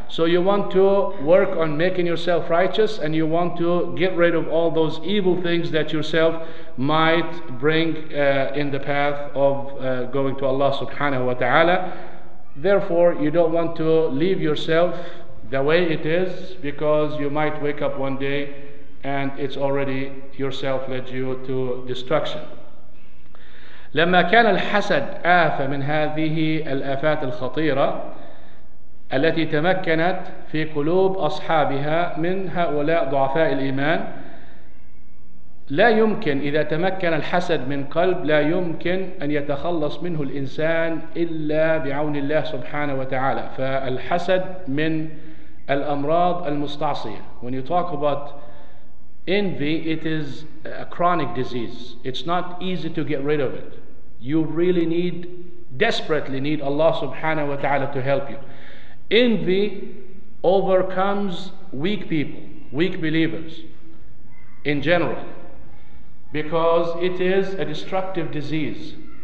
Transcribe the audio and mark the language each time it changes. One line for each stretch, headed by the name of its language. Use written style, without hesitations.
English: So you want to work on making yourself righteous, and you want to get rid of all those evil things that yourself might bring in the path of going to Allah subhanahu wa ta'ala. Therefore, you don't want to leave yourself the way it is, because you might wake up one day and it's already yourself led you to destruction.
Arabic: لما كان الحسد آفة من هذه الآفات الخطيرة التي تمكنت في قلوب أصحابها من هؤلاء ضعفاء الإيمان. لا يمكن إذا تمكن الحسد من قلب لا يمكن أن يتخلص منه الإنسان إلا بعون الله سبحانه وتعالى. فالحسد من الأمراض المستعصية.
English: When you talk about envy, it is a chronic disease. It's not easy to get rid of it. You really desperately need Allah subhanahu wa ta'ala to help you. Envy overcomes weak people, weak believers in general, because it is a destructive disease.